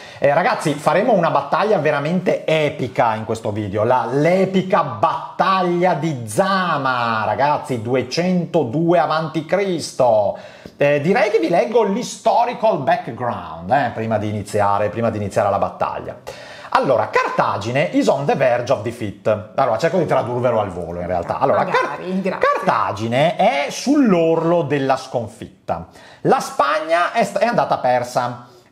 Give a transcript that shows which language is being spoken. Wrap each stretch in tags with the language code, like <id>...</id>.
<it>Ragazzi, faremo una battaglia veramente epica in questo video, l'epica battaglia di Zama, ragazzi, 202 avanti Cristo. Direi che vi leggo l'historical background, prima di iniziare la battaglia.</it> <en>Allora, Cartagine is on the verge of defeat.</en> <it>Allora, cerco di tradurvelo al volo, in realtà. Allora, Cartagine è sull'orlo della sconfitta. La Spagna è andata persa.</it>